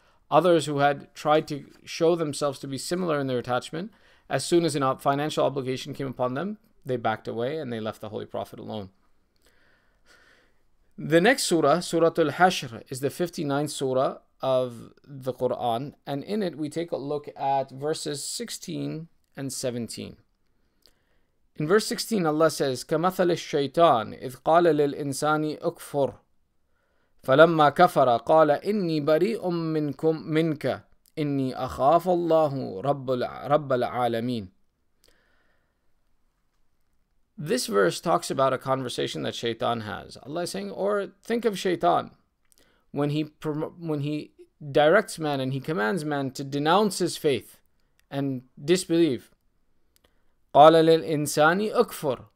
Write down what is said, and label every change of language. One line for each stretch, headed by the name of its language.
English: Others who had tried to show themselves to be similar in their attachment, as soon as a financial obligation came upon them, they backed away and they left the Holy Prophet alone. The next surah, Surah Al-Hashr, is the 59th surah of the Quran, and in it we take a look at verses 16 and 17. In verse 16, Allah says,
Arabic: كَمَثَلِ الشَّيْطَانِ إِذْ قَالَ لِلْإِنسَانِ أُكْفُرْ فَلَمَّا كَفَرَ قَالَ إِنِّي بَرِيءٌ مِّنْكُمْ مِّنْكَ إِنِّي أَخَافَ اللَّهُ رَبَّ الْعَالَمِينَ.
English: This verse talks about a conversation that Shaitan has. Allah is saying, or think of Shaitan, when he directs man and he commands man to denounce his faith and disbelieve.
Arabic: قَالَ لِلْإِنسَانِ أُكْفُرْ.